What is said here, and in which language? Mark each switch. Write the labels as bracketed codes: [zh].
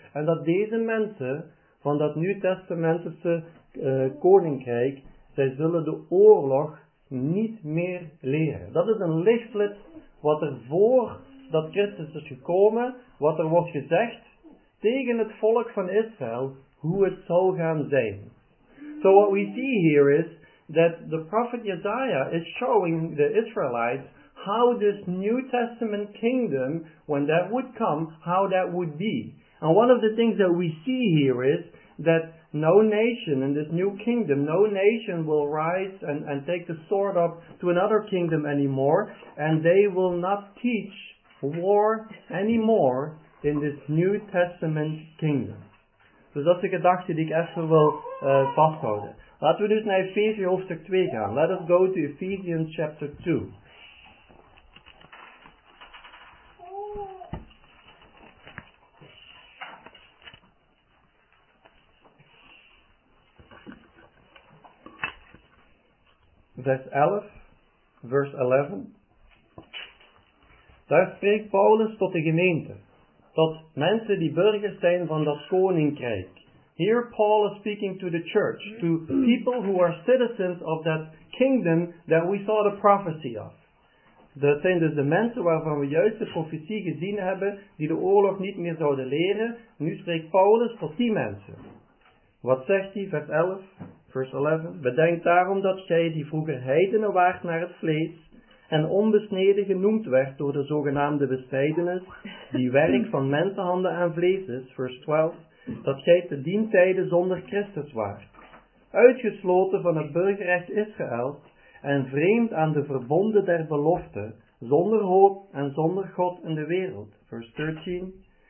[nl] En dat deze mensen van dat Nieuw Testamentische koninkrijk, zij zullen de oorlog niet meer leren. Dat is een lichtflits wat er voor dat Christus is gekomen, wat er wordt gezegd tegen het volk van Israël, hoe het zal gaan zijn. [en] So what we see here is that the prophet Jesaja is showing the Israelites how this New Testament kingdom, when that would come, how that would be. And one of the things that we see here is that no nation in this new kingdom, no nation will rise and take the sword up to another kingdom anymore, and they will not teach war anymore in this New Testament kingdom. [nl] Dus dat is de gedachte die ik even wil vasthouden. Laten we dus naar Efeziërs hoofdstuk 2 gaan. [en] Let us go to Ephesians chapter 2. [nl] Vers 11. Daar spreekt Paulus tot de gemeente. dat mensen die burgers zijn van dat koninkrijk. [en] Here Paul is speaking to the church, to people who are citizens of that kingdom that we saw the prophecy of. [nl] Dat zijn dus de mensen waarvan we juist de profetie gezien hebben, die de oorlog niet meer zouden leren. Nu spreekt Paulus tot die mensen. Wat zegt hij? Vers 11. Bedenk daarom dat gij die vroeger heidenen waart naar het vlees, en onbesneden genoemd werd door de zogenaamde besnijdenis, die werk van mensenhanden aan vlees is, vers 12, dat gij te dien tijde zonder Christus waart, uitgesloten van het burgerrecht Israël, en vreemd aan de verbonden der belofte, zonder hoop en zonder God in de wereld. Vers 13.